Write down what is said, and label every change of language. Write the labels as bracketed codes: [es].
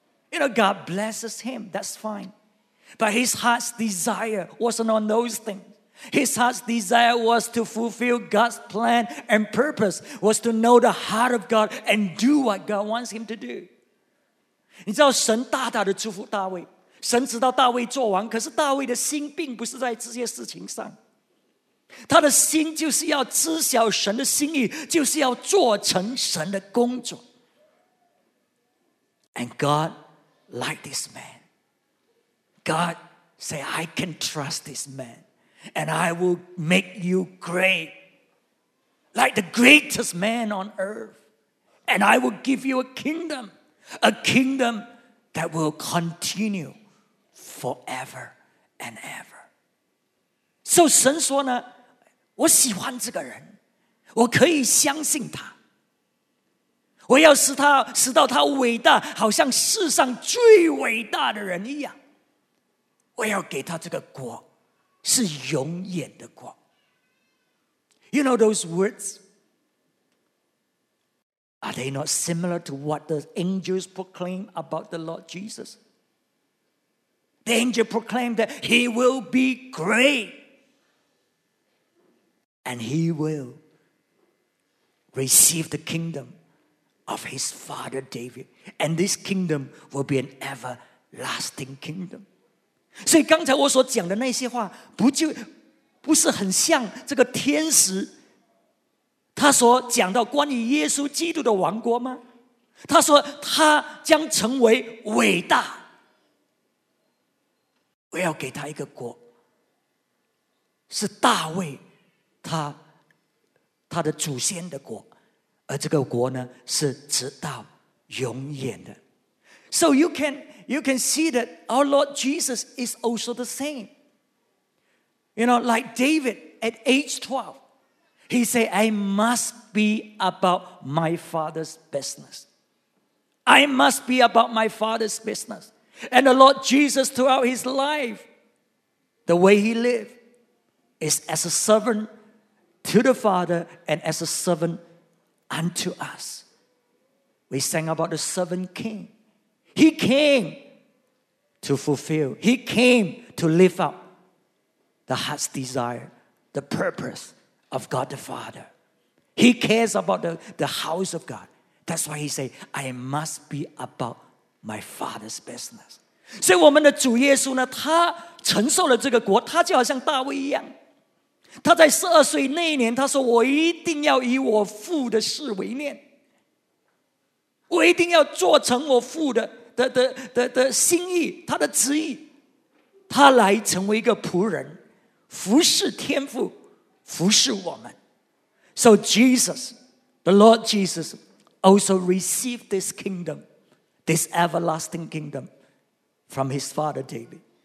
[en] You know, God blesses him, that's fine. But his heart's desire wasn't on those things. His heart's desire was to fulfill God's plan and purpose, was to know the heart of God and do what God wants him to do. [zh] 你知道神大大的祝福大卫，神知道大卫做王，可是大卫的心并不是在这些事情上。他的心就是要知晓神的心意，就是要做成神的工作。 [en] And God liked this man. God said, I can trust this man, and I will make you great, like the greatest man on earth, and I will give you a kingdom that will continue forever and ever. [zh] So 神说呢，我喜欢这个人，我可以相信他，我要使他使到他伟大，好像世上最伟大的人一样。我要给他这个国是永远的国。 [en] You know those words? Are they not similar to what the angels proclaim about the Lord Jesus? The angel proclaimed that he will be great and he will receive the kingdom of his father David, and this kingdom will be an everlasting kingdom. [zh] 所以刚才我所讲的那些话不是很像这个天使他所讲到关于耶稣基督的王国吗？他说他将成为伟大，我要给他一个国是大卫他的祖先的国，而这个国呢是直到永远的。 [en] So you can see that our Lord Jesus is also the same. You know, like David at age 12, he said, I must be about my father's business. I must be about my father's business. And the Lord Jesus throughout his life, the way he lived is as a servant to the Father and as a servant unto us. We sang about the servant king. He came to fulfill. He came to live out the heart's desire, the purpose of God the Father. He cares about the house of God. That's why he said, I must be about my Father's business. [zh] 所以我们的主耶稣呢，他承受了这个国，他就好像大卫一样。他在十二岁那一年，他说，我一定要以我父的事为念，我一定要做成我父的心意，他的旨意，他来成为一个仆人，服侍天父，服侍我们。 [en] So Jesus, the Lord Jesus, also received this kingdom, this everlasting kingdom, from his father David.